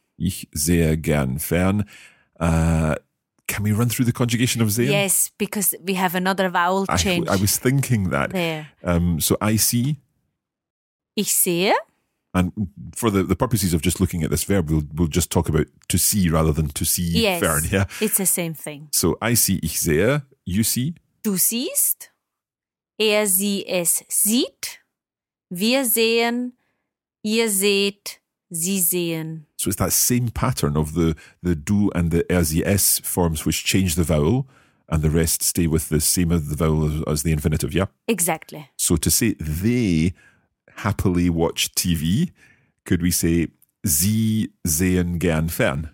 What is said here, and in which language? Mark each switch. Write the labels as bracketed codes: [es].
[de] Ich sehr gern fern. [en] can we run through the conjugation of sehen? Yes, because we have another vowel change. I was thinking that. There. So I see. [de] Ich sehe. [en] And for the purposes of just looking at this verb, we'll just talk about to see rather than to see yes, fern. Yeah? It's the same thing. So I see, [de] ich sehe, [en] you see. [de] Du siehst, er, sie, es sieht, wir sehen, ihr seht, sie sehen. [en] So it's that same pattern of the du and the er, sie, es forms which change the vowel and the rest stay with the same of the vowel as the infinitive, yeah? Exactly. So to say they happily watch TV, could we say [de] sie sehen gern fern?